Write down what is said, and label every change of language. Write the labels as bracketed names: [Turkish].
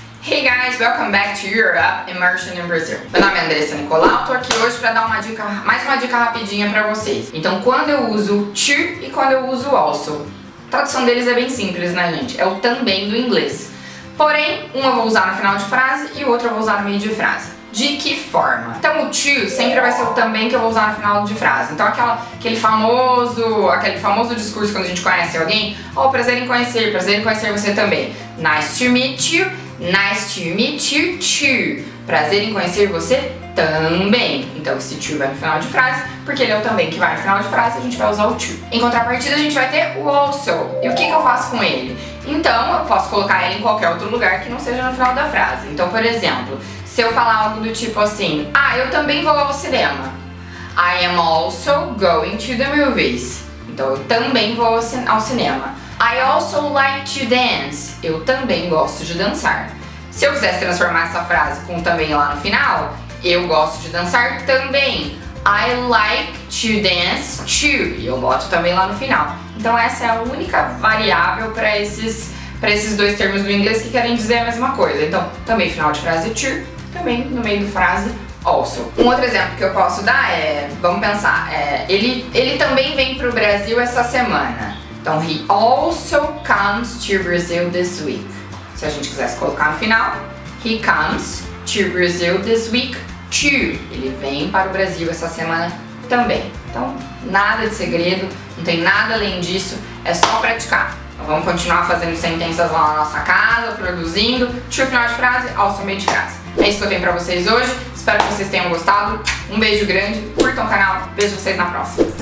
[English] Hey guys, welcome back to Europe Immersion in Brazil. [Portuguese] Meu nome é Andressa Nicolau, tô aqui hoje pra dar uma dica, mais uma dica rapidinha pra vocês. Então, quando eu uso to e quando eu uso also, a tradução deles é bem simples, né gente? É o também do inglês. Porém, um eu vou usar no final de frase e o outro eu vou usar no meio de frase. De que forma? Então o to sempre vai ser o também que eu vou usar no final de frase. Então aquele famoso discurso quando a gente conhece alguém: oh, prazer em conhecer você também. [English] Nice to meet you too. [Portuguese] Prazer em conhecer você também. Então esse to vai no final de frase, porque ele é o também que vai no final de frase, a gente vai usar o to. Em contrapartida a gente vai ter o also. E o que que eu faço com ele? Então eu posso colocar ele em qualquer outro lugar que não seja no final da frase. Então, por exemplo, se eu falar algo do tipo assim: ah, eu também vou ao cinema. [English] I am also going to the movies. [Portuguese] Então eu também vou ao cinema. [English] I also like to dance. [Portuguese] Eu também gosto de dançar. Se eu quisesse transformar essa frase com também lá no final, eu gosto de dançar também. [English] I like to dance too. [Portuguese] E eu boto também lá no final. Então essa é a única variável para esses dois termos do inglês que querem dizer a mesma coisa. Então também final de frase to, também no meio da frase also. Um outro exemplo que eu posso dar é, vamos pensar, ele também vem pro Brasil essa semana. [English] Então, he also comes to Brazil this week. [Portuguese] Se a gente quisesse colocar no final, [English] he comes to Brazil this week too. [Portuguese] Ele vem para o Brasil essa semana também. Então, nada de segredo, não tem nada além disso, é só praticar. Então, vamos continuar fazendo sentenças lá na nossa casa, produzindo. To final de frase, also meio de frase. É isso que eu tenho pra vocês hoje. Espero que vocês tenham gostado. Um beijo grande, curtam o canal. Vejo vocês na próxima.